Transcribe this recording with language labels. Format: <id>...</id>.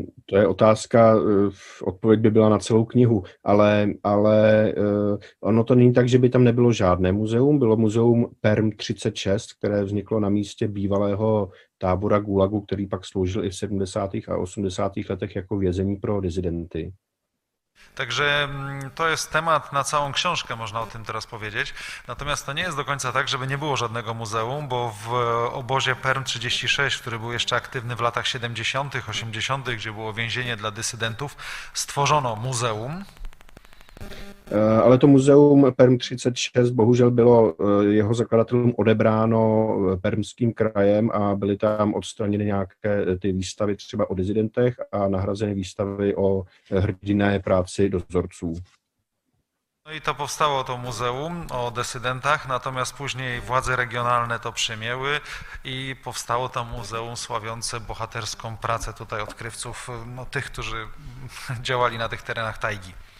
<cs>To je otázka, odpověď by byla na celou knihu, ale ono to není tak, že by tam nebylo žádné muzeum, bylo muzeum Perm 36, které vzniklo na místě bývalého tábora Gulagu, který pak sloužil i v 70. a 80. letech jako vězení pro disidenty. Takže to je</cs> <pl>temat na całą książkę, można o tym teraz powiedzieć. Natomiast to nie jest do końca tak, żeby nie było żadnego muzeum, bo w obozie Perm 36, który był jeszcze aktywny w latach 70., 80., gdzie było więzienie dla dysydentów, stworzono muzeum.</pl> <cs>Ale to muzeum Perm 36 bohužel bylo jeho zakladatelům odebráno permským krajem a byly tam odstraněny nějaké ty výstavy třeba o disidentech a nahrazeny výstavy o hrdinné práci dozorců.</cs> <pl>No i to powstało to muzeum o dysydentach, natomiast później władze regionalne to przyjęły i powstało to muzeum sławiące bohaterską pracę tutaj odkrywców, no tych, którzy działali na tych terenach tajgi.</pl>